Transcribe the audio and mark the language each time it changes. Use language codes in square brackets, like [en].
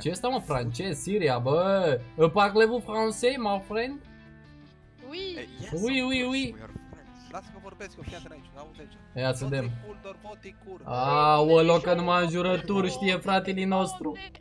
[ro] Ce asta, mă, francez, Siria, bă? [fr] Parlez-vous français, [en] my friend? [fr] Oui. Oui, oui, oui. [ro] Lasă că vorbesc, fii atent aici, auzi aici. Ia să dăm. Aolo, că numai în jurături știe fratele nostru.